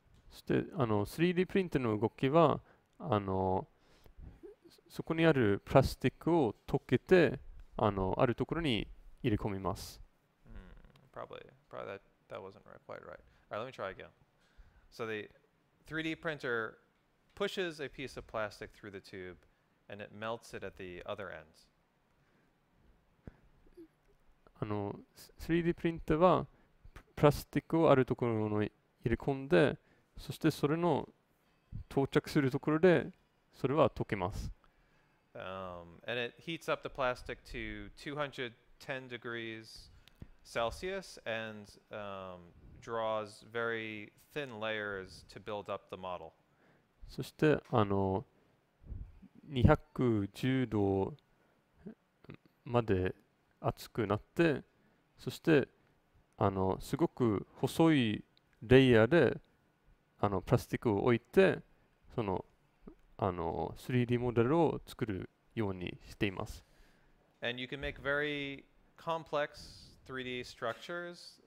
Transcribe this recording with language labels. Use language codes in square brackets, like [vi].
[ja] そして、あの、3D プリンターの動きは、あの、そこにあるプラスチックを溶けて、あの、あるところに入れ込みます。 [en] Probably that wasn't quite right. All right, let me try again. So the 3D printer pushes a piece of plastic through the tube. And it melts it at the other end. [ja] あの、3D プリンターはプラスチックをあるところに入れ込んで、そしてそれの到着するところでそれは溶けます。 [en] And it heats up the plastic to 210 degrees Celsius and draws very thin layers to build up the model. [ja] そしてあの210度まで熱くなって、そしてあのすごく細いレイヤーであのプラスチックを置いて、そのあの 3D モデルを作るようにしています。 [en] And you can make very complex 3D structures.